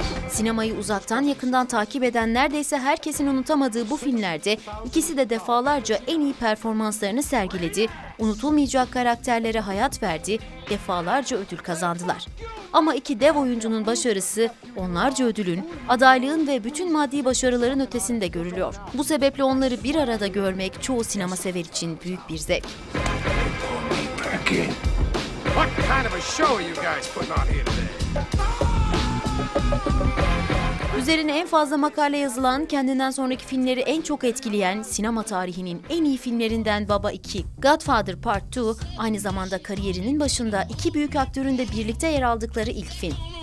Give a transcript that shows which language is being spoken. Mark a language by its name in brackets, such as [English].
[Turkish] Sinemayı uzaktan yakından takip eden neredeyse herkesin unutamadığı bu filmlerde ikisi de defalarca en iyi performanslarını sergiledi, unutulmayacak karakterlere hayat verdi, defalarca ödül kazandılar. Ama iki dev oyuncunun başarısı onlarca ödülün, adaylığın ve bütün maddi başarıların ötesinde görülüyor. Bu sebeple onları bir arada görmek çoğu sinema sever için büyük bir zevk. [English] What kind of a show are you guys putting on here today? [Turkish] Üzerine en fazla makale yazılan, kendinden sonraki filmleri en çok etkileyen, sinema tarihinin en iyi filmlerinden Baba 2, Godfather Part 2, aynı zamanda kariyerinin başında iki büyük aktörün de birlikte yer aldıkları ilk film.